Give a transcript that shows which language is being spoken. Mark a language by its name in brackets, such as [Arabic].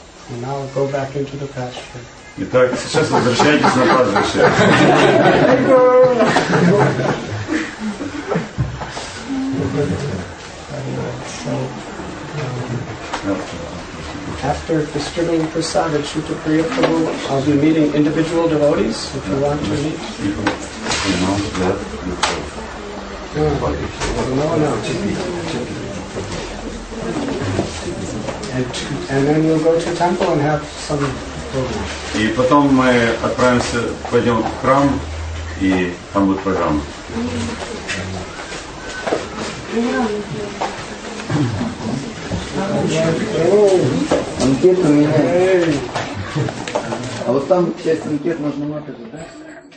[English] And now I'll go back into the pasture. [Russian] Итак, сейчас возвращайтесь на пастбище. [English] After distributing prasad at Shuta Priya Prabhu, I'll be meeting individual devotees, if you want to meet. And then you'll go to temple and have some program. [Russian] И потом мы отправимся, пойдем в храм, и там будет программа. Анкету у меня. А вот там часть анкет нужно написать, да?